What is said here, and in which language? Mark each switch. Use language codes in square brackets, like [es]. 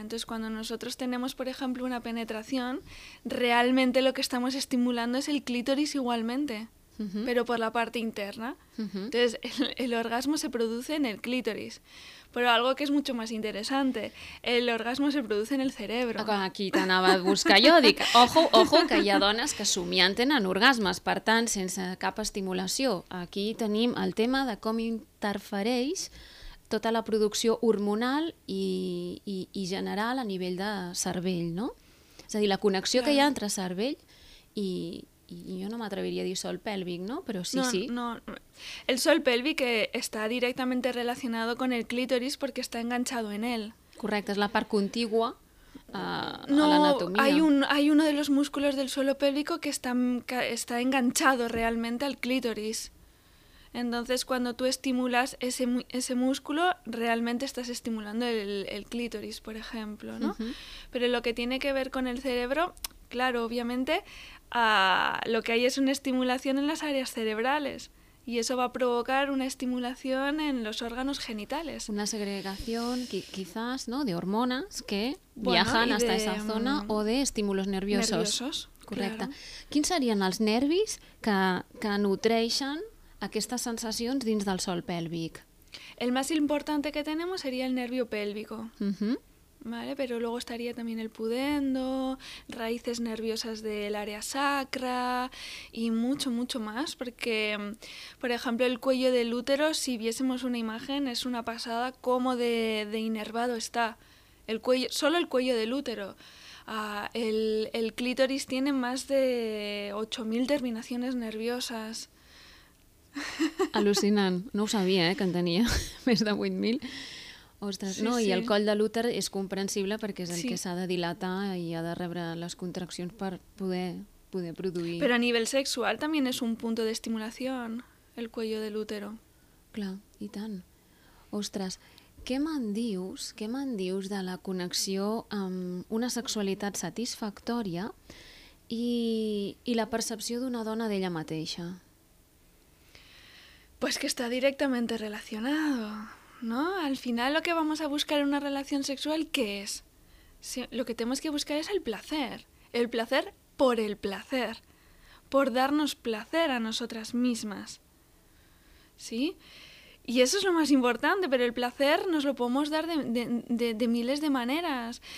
[es] Entonces cuando nosotros tenemos, por ejemplo, una penetración, realmente lo que estamos estimulando es el clítoris igualmente, pero por la parte interna. Entonces el orgasmo se produce en el clítoris. Pero algo que es mucho más interesante, el orgasmo se produce en el cerebro. [ca] Aquí t'anava a buscar jo, dic, [es] ojo, ojo, [ca] que hi ha dones que somien tenen orgasmes, per tant, sense cap estimulació. Aquí tenim el tema de com interfereix tota la producció hormonal i general a nivell de cervell, no? És a dir, la connexió que hi ha entre cervell i jo no m'atreviria a dir sol pèlvic, no? Però sí, no, sí. No, el sol pèlvic està directament relacionat amb el clítoris perquè està enganxat en ell. Correcte, és la part contigua no, a l'anatomia. [es] No, hay uno de los músculos del suelo pélvico que está enganchado realmente al clítoris. Entonces, cuando tú estimulas ese músculo, realmente estás estimulando el clítoris, por ejemplo, ¿no? Pero lo que tiene que ver con el cerebro, claro, obviamente... lo que hay es una estimulación en las áreas cerebrales y eso va a provocar una estimulación en los órganos genitales. Una segregación quizás, ¿no?, de hormonas que viajan hasta esa zona o de estímulos nerviosos. [ca] Correcte. Quins serien els nervis que nutreixen aquestes sensacions dins del sòl pèlvic? [es] El más importante que tenemos sería el nervio pélvico. Vale, pero luego estaría también el pudendo, raíces nerviosas del área sacra y mucho, mucho más. Porque, por ejemplo, el cuello del útero, si viésemos una imagen, es una pasada cómo de inervado está. El cuello, solo el cuello del útero. El clítoris tiene más de 8.000 terminaciones nerviosas. [ca] Alucinant. No ho sabia, que en tenia més de 8.000. Ostres, sí, no, sí. I el coll de l'úter és comprensible perquè és el que s'ha de dilatar i ha de rebre les contraccions per poder produir... Però a nivell sexual també és un punt d'estimulació, [es] el cuello [ca] de l'útero. Clar, i tant. Ostres, què me'n dius de la connexió amb una sexualitat satisfactòria i la percepció d'una dona d'ella mateixa? Pues que està directament relacionat... [es] ¿No? Al final lo que vamos a buscar en una relación sexual, ¿qué es? Sí, lo que tenemos que buscar es el placer por el placer, por darnos placer a nosotras mismas, ¿sí? Y eso es lo más importante, pero el placer nos lo podemos dar de miles de maneras.